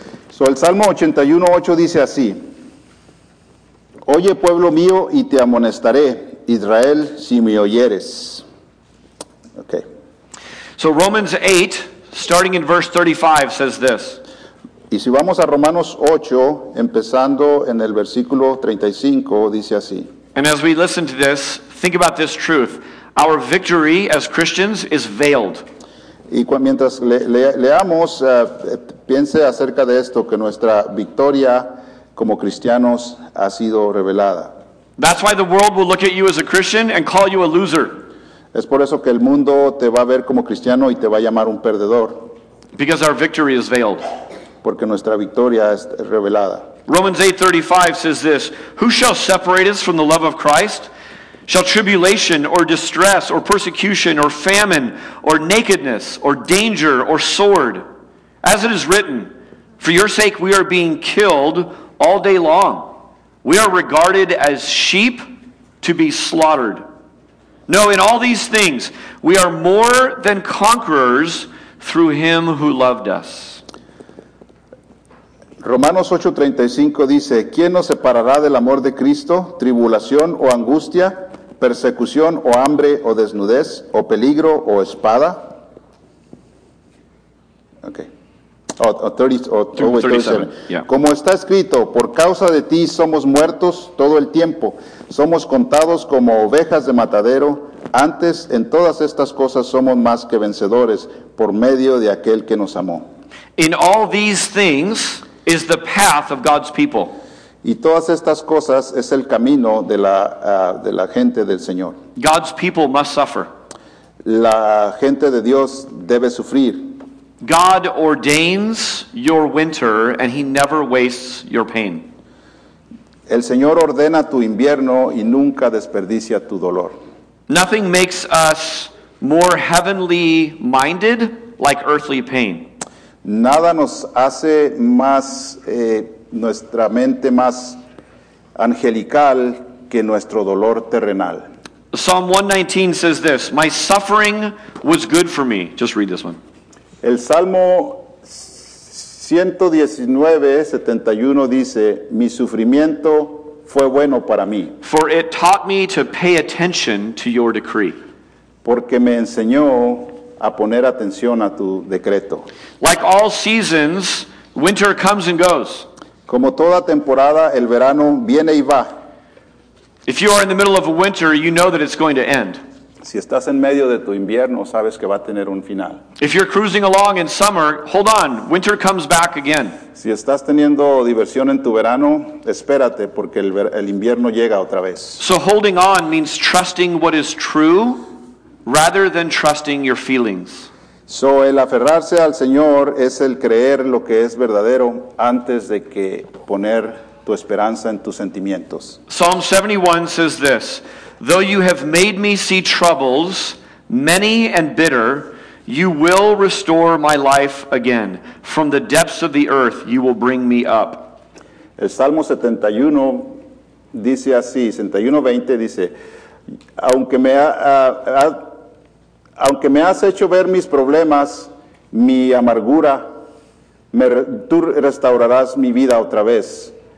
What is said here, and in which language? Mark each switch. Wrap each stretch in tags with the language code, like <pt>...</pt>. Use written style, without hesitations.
<es>So el Salmo 81:8 dice así. Oye, pueblo mío, y te amonestaré, Israel, si me oyeres. Okay.</es> <en>So Romans 8, starting in verse 35, says this.</en> <es>Y si vamos a Romanos 8, empezando en el versículo 35, dice así.</es> <en>And as we listen to this, think about this truth. Our victory as Christians is veiled.</en> <es>Y mientras leamos, piense acerca de esto, que nuestra victoria como cristianos ha sido revelada.</es> <en>That's why the world will look at you as a Christian and call you a loser.</en> <es>Es por eso que el mundo te va a ver como cristiano y te va a llamar un perdedor.</es> <en>Because our victory is veiled.</en> <es>Porque nuestra victoria es revelada.</es> <en>Romans 8:35 says this, who shall separate us from the love of Christ? Shall tribulation, or distress, or persecution, or famine, or nakedness, or danger, or sword? As it is written, for your sake we are being killed all day long. We are regarded as sheep to be slaughtered. No, in all these things, we are more than conquerors through him who loved us.</en> <es>Romanos 8:35 dice, ¿quién nos separará del amor de Cristo? ¿Tribulación o angustia? ¿Persecución o hambre o desnudez? ¿O peligro o espada?</es> <en>Okay. Oh, 37. Yeah.</en> <es>Como está escrito, por causa de ti somos muertos todo el tiempo. Somos contados como ovejas de matadero. Antes, en todas estas cosas somos más que vencedores por medio de aquel que nos amó.</es> <en>In all these things is the path of God's people.</en> <es>Y todas estas cosas es el camino de la gente del Señor.</es> <en>God's people must suffer.</en> <es>La gente de Dios debe sufrir.</es> <en>God ordains your winter and he never wastes your pain.</en> <es>El Señor ordena tu invierno y nunca desperdicia tu dolor.</es> <en>Nothing makes us more heavenly minded like earthly pain.</en> <es>Nada nos hace más nuestra mente más angelical que nuestro dolor terrenal.</es> <en>Psalm 119 says this, my suffering was good for me. Just read this one.</en> <es>El Salmo 119:71 dice, mi sufrimiento fue bueno para mí.</es> <en>For it taught me to pay attention to your decree.</en> <es>Porque me enseñó a poner atención a tu decreto.</es> <en>Like all seasons, winter comes and goes.</en> <es>Como toda temporada, el verano viene y va.</es> <en>If you are in the middle of a winter, you know that it's going to end.</en> <es>Si estás en medio de tu invierno, sabes que va a tener un final.</es> <en>If you're cruising along in summer, hold on, winter comes back again.</en> <es>Si estás teniendo diversión en tu verano, espérate porque el invierno llega otra vez.</es> <en>So holding on means trusting what is true rather than trusting your feelings.</en> <es>So el aferrarse al Señor es el creer lo que es verdadero antes de que poner tu esperanza en tus sentimientos.</es> <en>Psalm 71 says this, though you have made me see troubles, many and bitter, you will restore my life again. From the depths of the earth, you will bring me up.</en> <es>El Salmo 71 dice así, 71:20 dice, aunque me has hecho ver mis problemas, mi amargura, tú restaurarás mi vida otra vez.</es>